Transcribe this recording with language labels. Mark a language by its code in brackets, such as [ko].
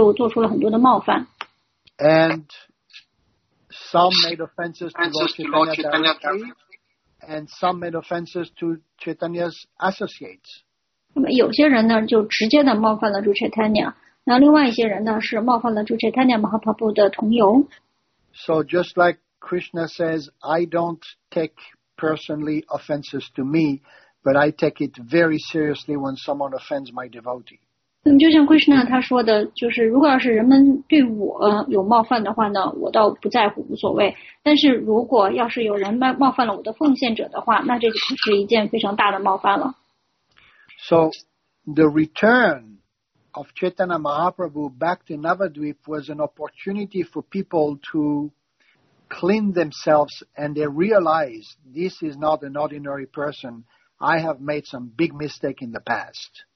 [zh] 那么他的这种这个行为举止呢是很奇怪的，使得很多人都不懂，然后呢，很多人就做出了很多的冒犯。And [en] some made offenses to Lord Chaitanya directly, and some made offenses to Chaitanya's associates. [zh] 那么有些人呢就直接的冒犯了主 Chaitanya, 那另外一些人呢是冒犯了主 Chaitanya Mahaprabhu 的同游。 [en] So just like Krishna says, I don't take personally offenses to me, but I take it very seriously when someone offends my devotee. [zh] 就像 Krishna 他说的，就是如果要是人们对我有冒犯的话呢，我倒不在乎，无所谓。但是如果要是有人冒犯了我的奉献者的话，那这就是一件非常大的冒犯了。 [en] So the return of Chaitanya Mahaprabhu back to Navadvip was an opportunity for people to clean themselves, and they realize this is not an ordinary person. I have made some big mistake in the past.